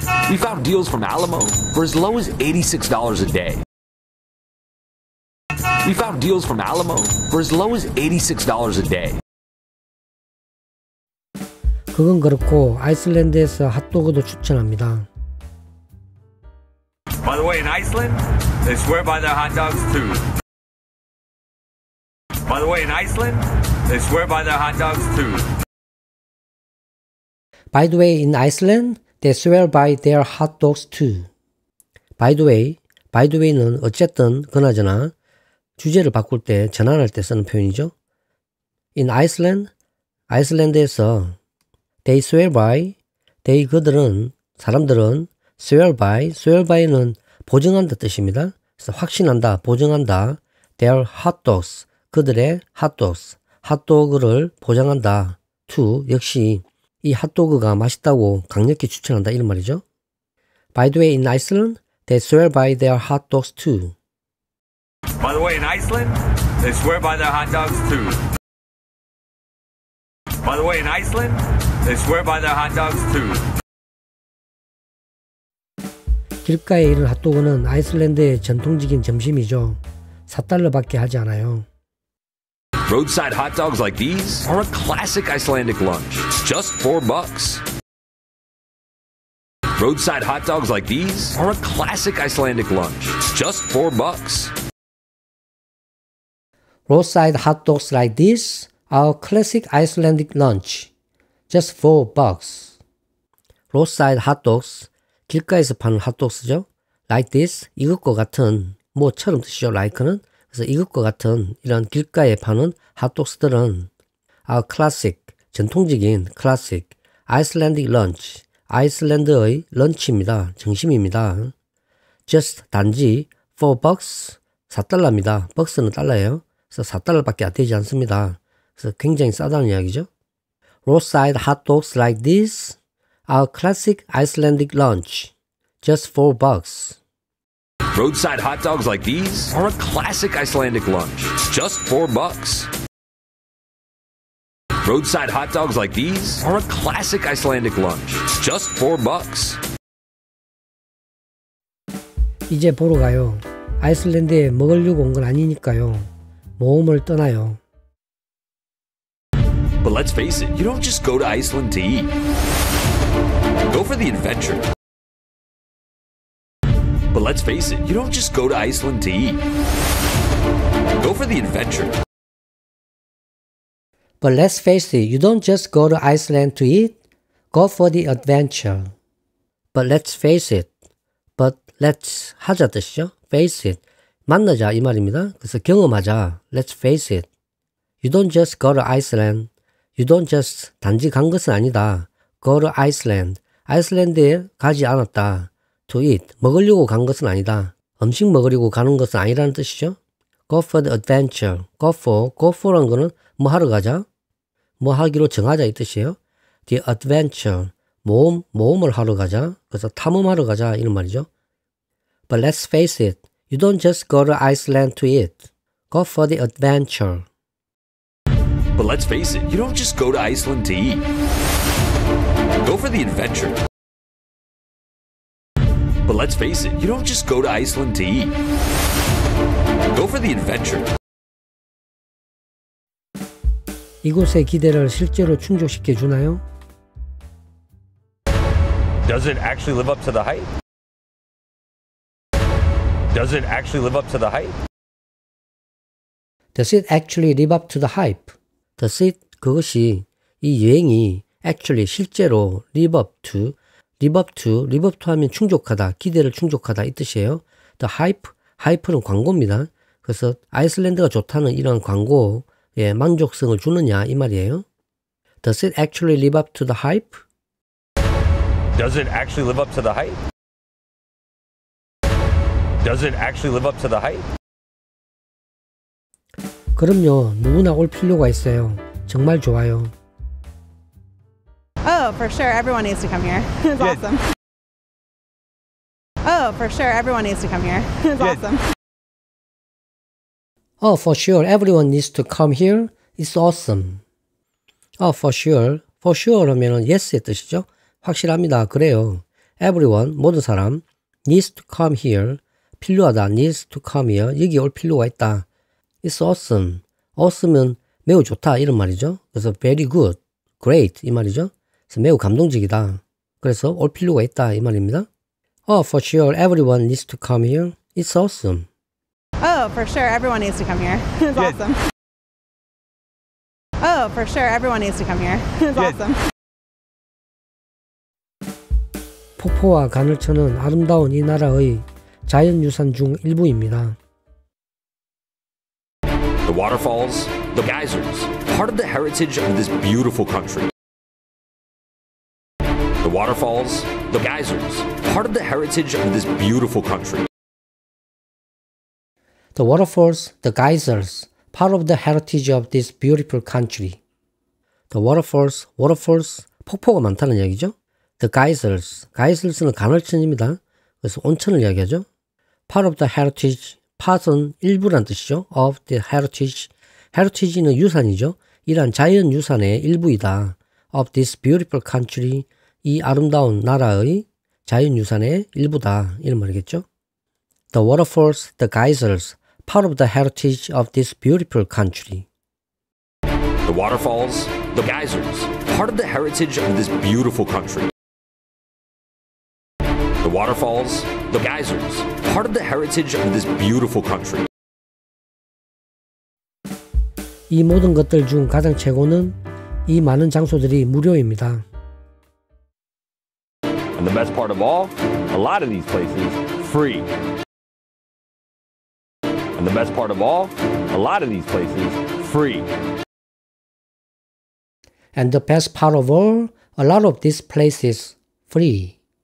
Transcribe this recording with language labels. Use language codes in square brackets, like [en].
[en] We found deals from Alamo for as low as $86 a day. We found deals from Alamo for as low as $86 a day. [ko] 그건 그렇고 아이슬란드에서 핫도그도 추천합니다. [en] By the way, in Iceland, they swear by their hot dogs too. By the way, in Iceland, they swear by their hot dogs too. By the way, in Iceland, they swear by their hot dogs too. By the way [ko] 는 어쨌든 그나저나 주제를 바꿀 때, 전환할 때 쓰는 표현이죠. [en] In Iceland, [ko] 아이슬란드에서 [en] they swear by, they [ko] 그들은, 사람들은 [en] swear by, swear by는 [ko] 보증한다 뜻입니다. 그래서 확신한다, 보증한다, [en] their hot dogs, [ko] 그들의 [en] hot dogs, [ko] hot dog를 보장한다, to, 역시 이 핫도그가 맛있다고 강력히 추천한다, 이런 말이죠. [en] By the way, in Iceland, they swear by their hot dogs too. By the way, in Iceland, they swear by their hot dogs too. By the way, in Iceland, they swear by their hot dogs too. [ko] 길가에 이런 핫도그는 아이슬란드의 전통적인 점심이죠. 4달러밖에 하지 않아요. [en] Roadside hot dogs like these are a classic Icelandic lunch. Just $4. Roadside hot dogs like these are a classic Icelandic lunch. Just $4. Roadside hot dogs like this are a classic Icelandic lunch. Just $4. Roadside hot dogs, [ko] 길가에서 파는 핫도그죠. [en] Like this, [ko] 이것과 같은, 뭐처럼 뜻이죠. Like는. 그래서 이것과 같은 이런 길가에 파는 핫도그들은 [en] are classic, [ko] 전통적인 [en] classic Icelandic lunch, [ko] 아이슬란드의 런치입니다. 점심입니다. [en] Just [ko] 단지 $4, 4달러입니다. Bucks는 달러예요. 그래서 4달러밖에 되지 않습니다. 그래서 굉장히 싸다는 이야기죠. [en] Roadside hot dogs like this are classic Icelandic lunch. Just $4. Roadside hot dogs like these are a classic Icelandic lunch. Just $4. Roadside hot dogs like these are a classic Icelandic lunch. Just $4. [ko] 이제 보러 가요. 아이슬란드에 먹으려고 온 건 아니니까요. 모험을 떠나요. [en] But let's face it, you don't just go to Iceland to eat. Go for the adventure. But let's face it, you don't just go to Iceland to eat. Go for the adventure. But let's face it, you don't just go to Iceland to eat. Go for the adventure. But let's face it. But let's [ko] 하자 뜻이죠. [en] Face it. [ko] 만나자 이 말입니다. 그래서 경험하자. [en] Let's face it. You don't just go to Iceland. You don't just [ko] 단지 간 것은 아니다. [en] Go to Iceland. [ko] 아이슬란드에 가지 않았다. [en] To eat. [ko] 먹으려고 간 것은 아니다. 음식 먹으려고 가는 것은 아니라는 뜻이죠. [en] Go for the adventure. Go for. Go for란 거는 [ko] 뭐 하러 가자. 뭐 하기로 정하자 이 뜻이에요. The adventure. 모험을 하러 가자. 그래서 탐험하러 가자 이런 말이죠. [en] But let's face it. You don't just go to Iceland to eat. Go for the adventure. But let's face it, you don't just go to Iceland to eat. Go for the adventure. But let's face it, you don't just go to Iceland to eat. Go for the adventure. [ko] 이곳의 기대를 실제로 충족시켜 주나요? [en] Does it actually live up to the hype? Does it actually live up to the hype? Does it actually live up to the hype? Does it [ko] 그것이 이 여행이 [en] actually [ko] 실제로 [en] live up to live up to live up to [ko] 하면 충족하다 기대를 충족하다 이 뜻이에요. [en] The hype, [ko] hype는 광고입니다. 그래서 아이슬란드가 좋다는 이런 광고에 만족성을 주느냐 이 말이에요. [en] Does it actually live up to the hype? Does it actually live up to the hype? Does it actually live up to the hype? [ko] 그럼요. 누구나 올 필요가 있어요. 정말 좋아요. [en] Oh, for sure. Everyone needs to come here. It's yeah. awesome. Oh, for sure. Everyone needs to come here. It's yeah. awesome. Oh, for sure. Everyone needs to come here. It's awesome. Oh, for sure. For sure [ko] 하면은 yes의 뜻이죠. 확실합니다. 그래요. [en] Everyone, [ko] 모든 사람, [en] needs to come here. [ko] 필요하다. [en] Needs to come here. [ko] 여기 올 필요가 있다. [en] It's awesome. [ko] Awesome은 매우 좋다 이런 말이죠. 그래서 [en] very good, great [ko] 이 말이죠. 그래서 매우 감동적이다. 그래서 올 필요가 있다 이 말입니다. [en] Oh, for sure, everyone needs to come here. It's awesome. Oh, for sure, everyone needs to come here. It's yeah. awesome. Oh, for sure, everyone needs to come here. It's yeah. awesome. [ko] 폭포와 간을 쳐는 아름다운 이 나라의 자연유산 중 일부입니다. [en] The waterfalls, the geysers, part of the heritage of this beautiful country. The waterfalls, the geysers, part of the heritage of this beautiful country. The waterfalls, the geysers, part of the heritage of this beautiful country. The waterfalls, waterfalls, [ko] 폭포가 많다는 이야기죠. [en] The geysers, [ko] geysers는 간헐천입니다. 그래서 온천을 이야기하죠. [en] Part of the heritage. Part은 [ko] 일부란 뜻이죠. [en] Of the heritage. [ko] Heritage는 유산이죠. 이러한 자연유산의 일부이다. [en] Of this beautiful country. [ko] 이 아름다운 나라의 자연유산의 일부다. 이런 말이겠죠. [en] The waterfalls, the geysers, part of the heritage of this beautiful country. The waterfalls, the geysers, part of the heritage of this beautiful country. The waterfalls, the geysers, part of the heritage of this beautiful country. [ko] 이 모든 것들 중 가장 최고는 이 많은 장소들이 무료입니다. [en] And the best part of all, a lot of these places free. And the best part of all, a lot of these places free. And the best part of all, a lot of these places free.